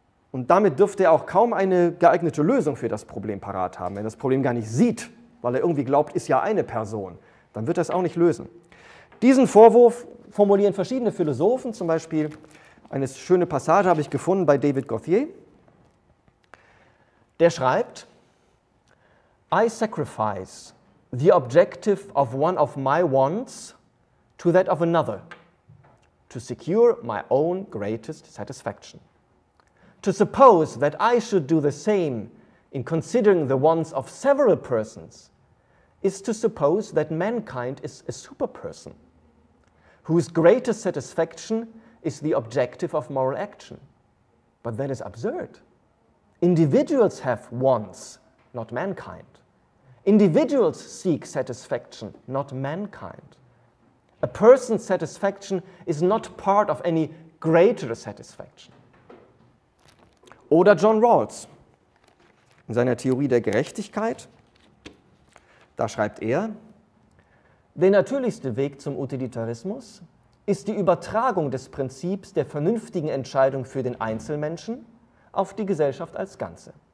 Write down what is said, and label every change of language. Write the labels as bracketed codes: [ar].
[de] Und damit dürfte er auch kaum eine geeignete Lösung für das Problem parat haben. Wenn er das Problem gar nicht sieht, weil er irgendwie glaubt, ist ja eine Person, dann wird er es auch nicht lösen. Diesen Vorwurf formulieren verschiedene Philosophen, zum Beispiel eine schöne Passage habe ich gefunden bei David Gauthier. Der schreibt: [en] I sacrifice the objective of one of my wants to that of another, to secure my own greatest satisfaction. To suppose that I should do the same in considering the wants of several persons is to suppose that mankind is a superperson, whose greatest satisfaction is the objective of moral action. But that is absurd. Individuals have wants, not mankind. Individuals seek satisfaction, not mankind. A person's satisfaction is not part of any greater satisfaction. [de] Oder John Rawls in seiner Theorie der Gerechtigkeit. Da schreibt er: Der natürlichste Weg zum Utilitarismus ist die Übertragung des Prinzips der vernünftigen Entscheidung für den Einzelmenschen auf die Gesellschaft als Ganze.